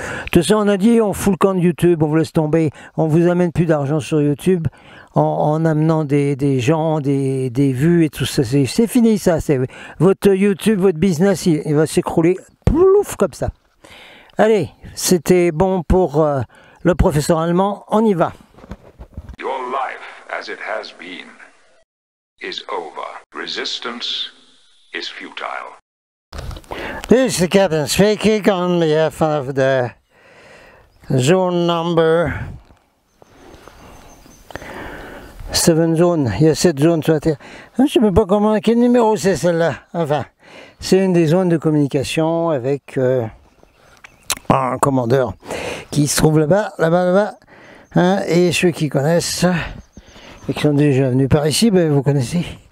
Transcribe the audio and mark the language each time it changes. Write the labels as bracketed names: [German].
[French] Tout ça, on a dit, on fout le camp de YouTube, on vous laisse tomber, on vous amène plus d'argent sur YouTube en amenant des gens, des vues et tout ça. C'est fini ça, c'est votre YouTube, votre business, il va s'écrouler plouf comme ça. Allez, c'était bon pour le professeur allemand, on y va. [English] Your life as it has been is over. Resistance is futile. This is the captain speaking on behalf of the zone number 7 zone. [French] Il y a 7 zones sur la Terre. Je ne sais pas comment, quel numéro c'est celle-là. Enfin, c'est une des zones de communication avec un commandeur qui se trouve là-bas, hein, et ceux qui connaissent et qui sont déjà venus par ici, ben vous connaissez.